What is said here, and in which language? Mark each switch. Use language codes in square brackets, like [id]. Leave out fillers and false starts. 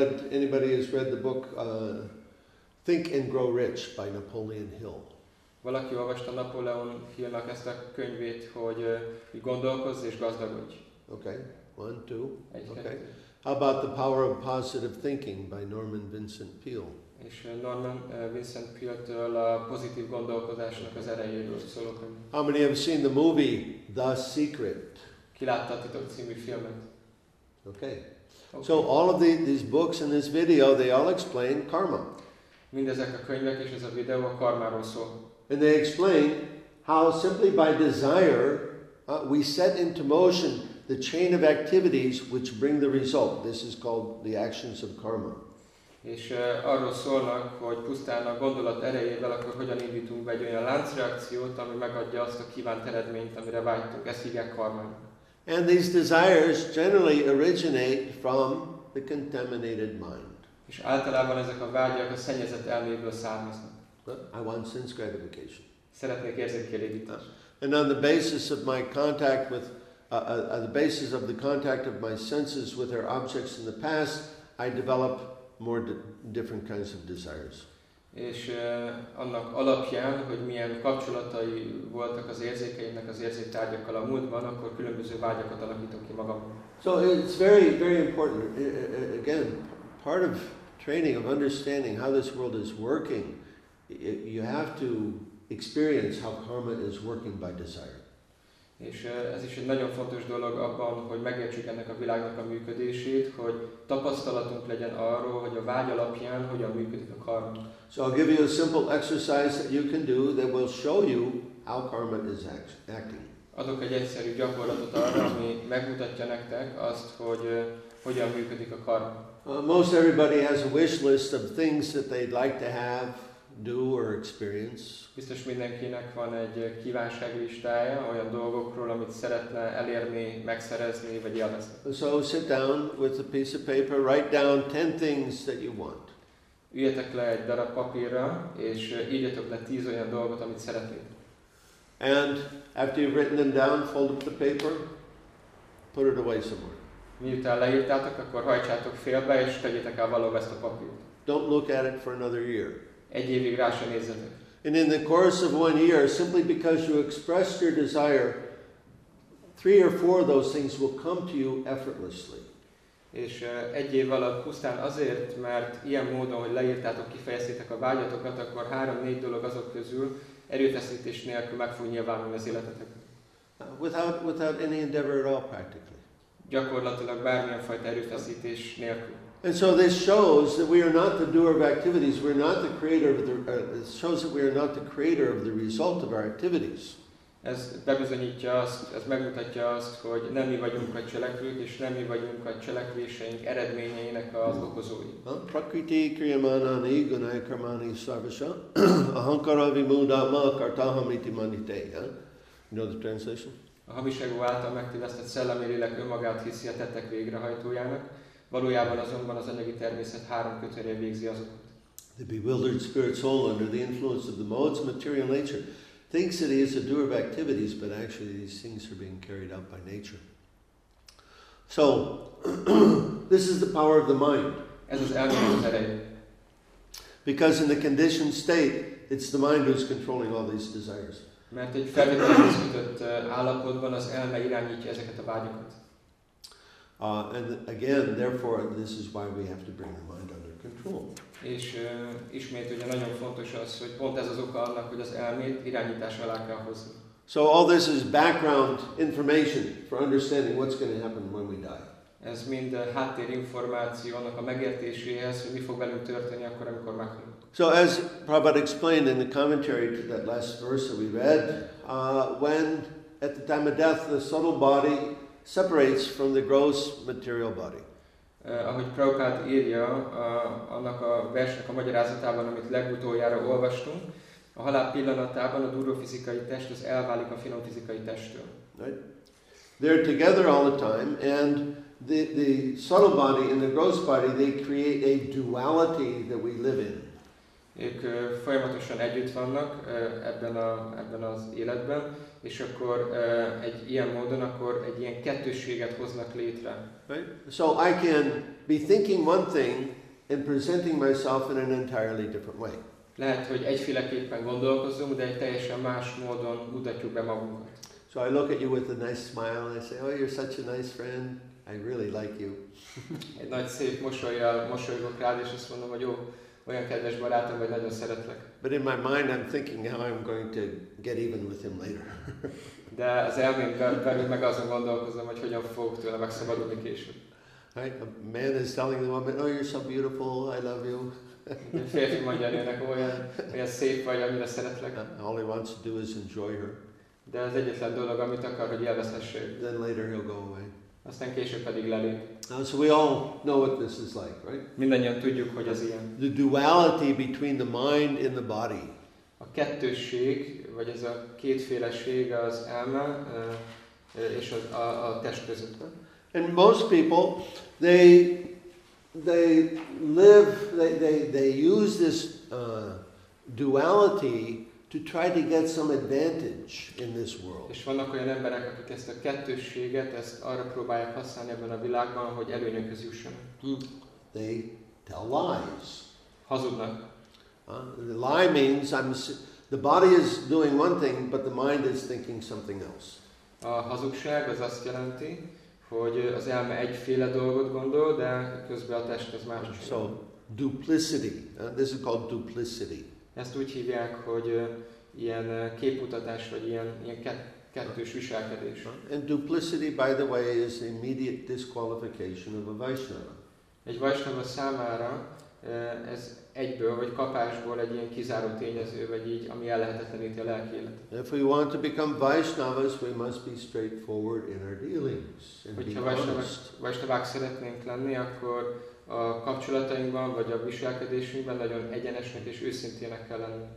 [en] Anybody has read the book Think and Grow Rich by Napoleon Hill? [hu] Valaki olvasta Napoleon Hillnak ezt a könyvét, hogy gondolkozz és gazdagodj. [en] Okay. One, two. Okay. How about The Power of Positive Thinking by Norman Vincent Peale? [hu] És Norman Vincent Peale-től a pozitív gondolkodásnak az erejéről szólok. [en] How many have seen the movie The Secret? [hu] Ki látta a titok című filmet? [en] Okay. So all of these books and this video, they all explain karma. [hu] Mindezek a könyvek és ez a videó a karmáról szól. [en] And they explain how simply by desire we set into motion the chain of activities which bring the result. This is called the actions of karma. [hu] És arról szólnak, hogy pusztán a gondolat erejével akkor hogyan indítunk be egy olyan láncreakciót, ami megadja azt a kívánt eredményt, amire vágytunk. Ezt hívják karmának. [en] And these desires generally originate from the contaminated mind. [hu] És általában ezek a vágyak a szennyezett elméből származnak. [en] I want sense gratification. [hu] Szeretnék érzékelégítést. [en] And on the basis of my contact with the basis of the contact of my senses with our objects in the past, I develop more different kinds of desires. [hu] És annak alapján, hogy milyen kapcsolatai voltak az érzékeimnek az érzéktárgyakkal a múltban, akkor különböző vágyakat alakítok ki magam. [en] So it's very, very important. Again, part of training of understanding how this world is working, you have to experience how karma is working by desire. [hu] És ez is egy nagyon fontos dolog abban, hogy megértsük ennek a világnak a működését, hogy tapasztalatunk legyen arról, hogy a vágy alapján hogyan működik a karma. [en] So I'll give you a simple exercise that you can do that will show you how karma is acting. [hu] Adok egy egyszerű gyakorlatot arra, ami megmutatja nektek azt, hogy hogyan működik a karma. [en] Most everybody has a wish list of things that they'd like to have, do or experience. [hu] Biztos mindenkinek van egy kívánság listája olyan dolgokról, amit szeretne elérni, megszerezni vagy élvezni. [en] So sit down with a piece of paper, write down 10 things that you want. [hu] Üljetek le egy darab papírra és írjatok le 10 olyan dolgot, amit szeretnék. [en] And after you've written them down, fold up the paper, put it away somewhere. [hu] Miután leírtátok, akkor hajtsátok félbe és tegyétek el valahol ezt a papírt. [en] Don't look at it for another year. [hu] Egy évig rá sem nézzetek. [en] And in the course of one year, simply because you expressed your desire, 3 or 4 of those things will come to you effortlessly. [hu] És egy év alatt pusztán azért, mert ilyen módon, hogy leírtátok, kifejeztétek a vágyatokat, akkor 3-4 dolog azok közül erőfeszítés nélkül meg fog nyilvánulni az életetek. [en] Without any endeavor at all, practically. [hu] Gyakorlatilag bármilyen fajta erőfeszítés nélkül. [en] And so this shows that we are not the doer of activities, we're not the creator of the shows that we are not the creator of the result of our activities. [hu] Ez bebizonyítja azt, ez megmutatja azt, hogy nem mi vagyunk a cselekvők, és nem mi vagyunk a cselekvéseink eredményeinek az okozói. [sa] Prakriti kriyamanani gunai karmani sarvasha ahankara vimudama kartahamiti manite. [en] You know the translation? [hu] A hamiságú által megtévesztett szellemi lélek önmagát hiszi a tettek végrehajtójának. Valójában azonban az anyagi természet 3 kötőerejével végzi azokat. [en] The bewildered spirit soul under the influence of the modes of material nature thinks that he is a doer of activities, but actually these things are being carried out by nature. So, this is the power of the mind. [hu] Ez az elmének ereje. [en] Because in the conditioned state, it's the mind who is controlling all these desires. [hu] Mert egy felvételhez kötött állapotban az elme irányítja ezeket a vágyakat. [en] And again, therefore, this is why we have to bring the mind under control. [hu] És ismét ugye nagyon fontos az, hogy pont ez az oka annak, hogy az elmét irányítás alá kell hozni. [en] So all this is background information for understanding what's going to happen when we die. [hu] Ez mind a háttér információ annak a megértéséhez, hogy mi fog velünk történni akkor, amikor meghalunk. [en] So as Prabhupada explained in the commentary to that last verse that we read, when at the time of death the subtle body separates from the gross material body. [hu] Ahogy Prabhupada írja, annak a versnek a magyarázatában, amit legutoljára olvastunk, a halál pillanatában a durva fizikai test az elválik a finom fizikai testtől. [en] They're together all the time, and the subtle body and the gross body, they create a duality that we live in. [hu] Ők folyamatosan együtt vannak ebben az életben, és akkor egy ilyen módon akkor egy ilyen kettősséget hoznak létre. [en] Right? So I can be thinking one thing and presenting myself in an entirely different way. [hu] Lehet, hogy egyféleképpen gondolkozunk, de egy teljesen más módon mutatjuk be magunkat. [en] So I look at you with a nice smile and I say, oh, you're such a nice friend. I really like you. [hu] Egy nagy szép mosolyjal mosolygok rád, és azt mondom, hogy jó, olyan kedves barátom, vagy nagyon szeretlek. [en] But in my mind I'm thinking how I'm going to get even with him later. [hu] De az elmémben belül meg azon gondolkozom, hogy hogyan fogok tőle megszabadulni később. [en] Right? A man is telling the woman, oh, you're so beautiful, I love you. [hu] Egy férfi mondja nőnek, olyan szép vagy, amire szeretlek. [en] All he wants to do is enjoy her. [hu] De az egyetlen dolog, amit akar, hogy élvezhesse. [en] Then later he'll go away. [hu] Aztán később pedig lelép. [en] So we all know what this is like, right? [hu] Mindannyian tudjuk, hogy ez ilyen. [en] The duality between the mind and the body. [hu] A kettősség, vagy ez a kétféleség az elme és a test között. [en] And most people, they use this duality to try to get some advantage in this world. [hu] És vannak olyan emberek, akik ezt a kettősséget, ezt arra próbálják használni ebben a világban, hogy előnyökhöz jussanak. [en] They tell lies. [hu] Hazudnak. [en] The lie means the body is doing one thing, but the mind is thinking something else. [hu] A hazugság az azt jelenti, hogy az elme egyféle dolgot gondol, de közben a test az más. [en] So duplicity. This is called duplicity. [hu] Ezt úgy hívják, hogy ilyen képmutatás, vagy ilyen kettős viselkedés. [en] And duplicity, by the way, is the immediate disqualification of a Vaishnava. [hu] Egy Vaishnava számára ez egyből, vagy kapásból egy ilyen kizáró tényező, vagy így, ami ellehetetleníti a lelki élet. [en] If we want to become Vaishnavas, we must be straightforward in our dealings. [hu] Hogyha Vaishnavák szeretnénk lenni, akkor a kapcsolatainkban vagy a viselkedésünkben nagyon egyenesnek és őszintének kell lenni.